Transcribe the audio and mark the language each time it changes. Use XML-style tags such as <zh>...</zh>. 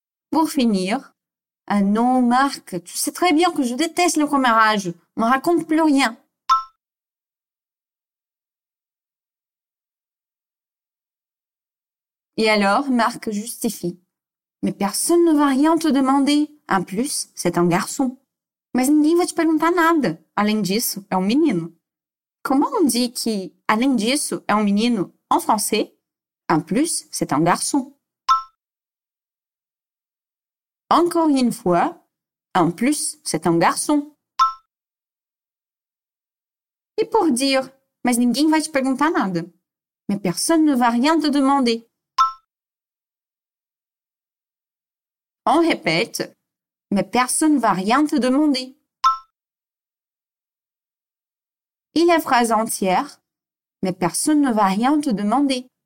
<fr>Pour finir, ah non, Marc, tu sais très bien que je déteste le commérage, me raconte plus rien. Et alors, Marc justifie. Mais personne ne va rien te demander. En plus, c'est un garçon.</fr> <pt>Mas ninguém vai te perguntar nada. Além disso, é um menino.</pt> <fr>Comment on dit que,</fr> <pt>além disso, é um menino</pt> <fr>en français? En plus, c'est un garçon. Encore une fois, en plus, c'est un garçon. Et pour dire,</fr> <pt>mas ninguém vai te perguntar nada.</pt> <fr>Mais personne ne va rien te demander. On répète, mais personne ne va rien te demander. Et la phrase entière, mais personne ne va rien te demander.</fr>